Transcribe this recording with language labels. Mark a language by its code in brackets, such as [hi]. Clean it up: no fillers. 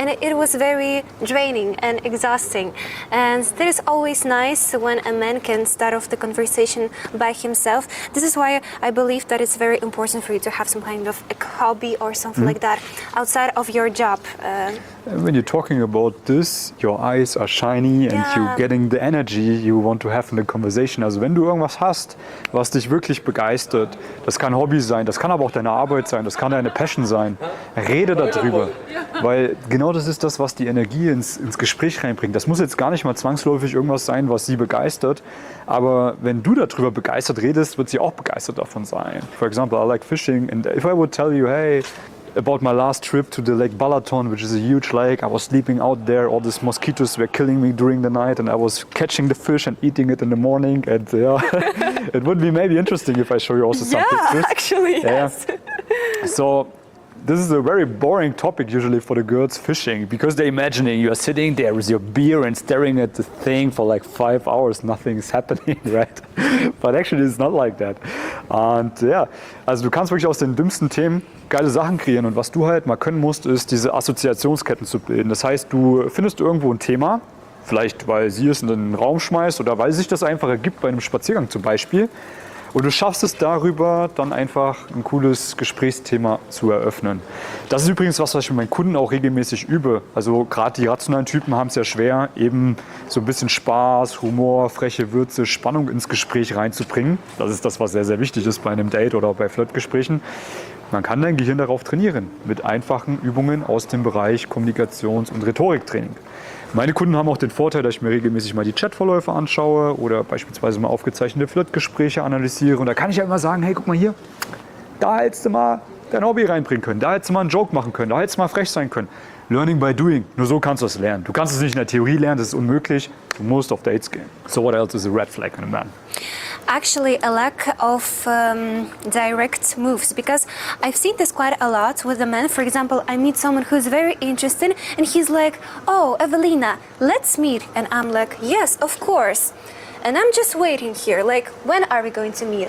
[en] And it was very draining and exhausting. And that is always nice when a man can start off the conversation by himself. This is why I believe that it's very important for you to have some kind of a hobby or something mm-hmm. like that outside of your job. When you're talking about this, your eyes are shiny and you're getting the energy you want to have in the conversation. [de] Also wenn du irgendwas hast, was dich wirklich begeistert, das kann Hobby sein, das kann aber auch deine Arbeit sein, das kann deine Passion sein, rede darüber. Weil genau das ist das, was die Energie ins Gespräch reinbringt. Das muss jetzt gar nicht mal zwangsläufig irgendwas sein, was sie begeistert. Aber wenn du darüber begeistert redest, wird sie auch begeistert davon sein. [en] For example, I like fishing and if I would tell you, hey, about my last trip to the Lake Balaton, which is a huge lake. I was sleeping out there. All these mosquitoes were killing me during the night and I was catching the fish and eating it in the morning. And it would be maybe interesting if I show you also some pictures. Actually, yes. Yeah. So this is a very boring topic usually for the girls, fishing, because they're imagining you are sitting there with your beer and staring at the thing for like 5 hours. Nothing's happening, right? But actually it's not like that. [de] And yeah, also du kannst wirklich aus den dümmsten Themen geile Sachen kreieren. Und was du halt mal können musst, ist diese Assoziationsketten zu bilden. Das heißt, du findest irgendwo ein Thema, vielleicht weil sie es in den Raum schmeißt oder weil sich das einfach ergibt bei einem Spaziergang zum Beispiel. Und du schaffst es darüber, dann einfach ein cooles Gesprächsthema zu eröffnen. Das ist übrigens was ich mit meinen Kunden auch regelmäßig übe. Also gerade die rationalen Typen haben es ja schwer, eben so ein bisschen Spaß, Humor, freche Würze, Spannung ins Gespräch reinzubringen. Das ist das, was sehr, sehr wichtig ist bei einem Date oder bei Flirtgesprächen. Man kann dein Gehirn darauf trainieren, mit einfachen Übungen aus dem Bereich Kommunikations- und Rhetoriktraining. Meine Kunden haben auch den Vorteil, dass ich mir regelmäßig mal die Chatverläufe anschaue oder beispielsweise mal aufgezeichnete Flirtgespräche analysiere. Und da kann ich ja immer sagen, hey, guck mal hier, da hättest du mal dein Hobby reinbringen können, da hättest du mal einen Joke machen können, da hättest du mal frech sein können. [en] Learning by doing. [de] Nur so kannst du es lernen. Du kannst es nicht in der Theorie lernen, das ist unmöglich. Du musst auf Dates gehen. [en] So what else is a red flag in a man? Actually, a lack of direct moves, because I've seen this quite a lot with the men. For example, I meet someone who's very interesting and he's like, oh, Evelina, let's meet. And I'm like, yes, of course. And I'm just waiting here, like, when are we going to meet?